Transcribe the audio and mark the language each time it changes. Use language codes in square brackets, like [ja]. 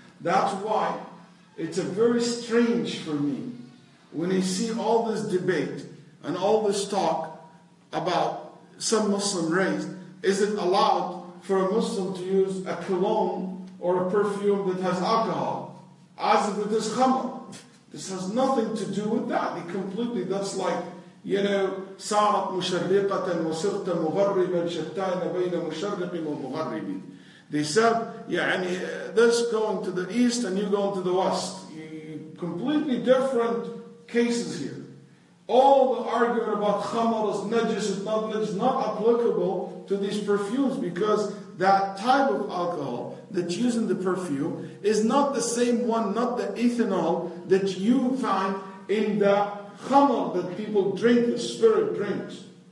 [en] That's why it's a very strange for me when I see all this debate and all this talk about some Muslim race, is it allowed for a Muslim to use a cologne or a perfume that has alcohol as if it is khamr? This has nothing to do with that. It completely, that's like, [ar] صارت مشرقة وصرت مغربا شتان بين مشرق ومغرب. [en] They said, this going to the east and you going to the west. Completely different cases here. All the argument about khamar is najis, is not applicable to these perfumes, because that type of alcohol that's used in the perfume is not the same one, not the ethanol that you find in the khamar that people drink, the spirit drinks.